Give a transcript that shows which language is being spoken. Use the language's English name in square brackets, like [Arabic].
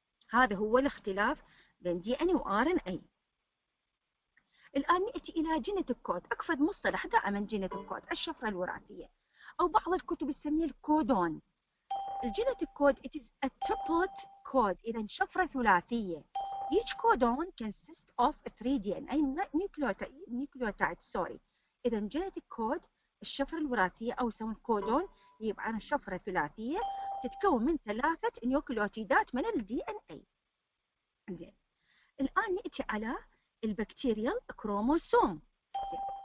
[Arabic] هذا هو الاختلاف بين DNA و RNA. الآن نأتي إلى جينيتك كود، أكفد مصطلح دائما جينيتك كود، الشفرة الوراثية، أو بعض الكتب يسميه الكودون. الجينيتك كود [English] it is a triplet code، [Arabic] إذا شفرة ثلاثية. [English] Each codon consists of three DNA nucleotides. Sorry. [Arabic] إذا جينيتك كود الشفرة الوراثية أو يسمون كودون يبقى عن الشفرة الثلاثية تتكون من ثلاثة نيوكليوتيدات من الـ DNA. زين. الآن نأتي على البكتيريال كروموسوم. زين.